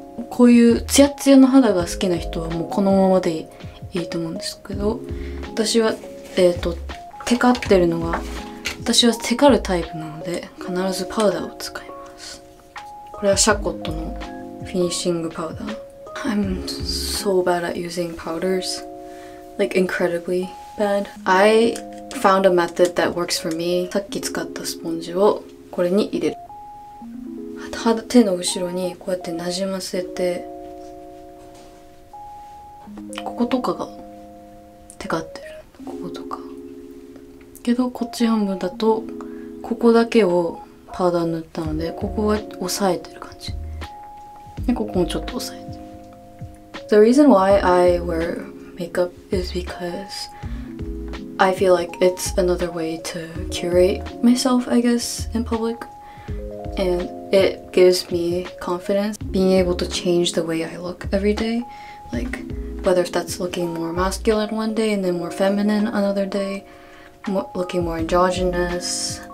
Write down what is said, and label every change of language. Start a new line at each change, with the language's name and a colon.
Japanese: こういうツヤツヤの肌が好きな人はもうこのままでいいと思うんですけど、私はテカってるのが、私はテカるタイプなので必ずパウダーを使います。これはシャコットのフィニッシングパウダー。
English: I'm so bad at using powders, like incredibly bad. I found a method that works for me.
Japanese: さっき使ったスポンジをこれに入れる。手の後ろにこうやってなじませて、こことかがテカってる、こことか。けどこっち半分だとここだけをパウダー塗ったので、ここは押さえてる感じで、ここもちょっと押さえて。
English: The reason why I wear makeup is because I feel like it's another way to curate myself, I guess, in public, and it gives me confidence being able to change the way I look every day, likeWhether that's looking more masculine one day and then more feminine another day, looking more androgynous.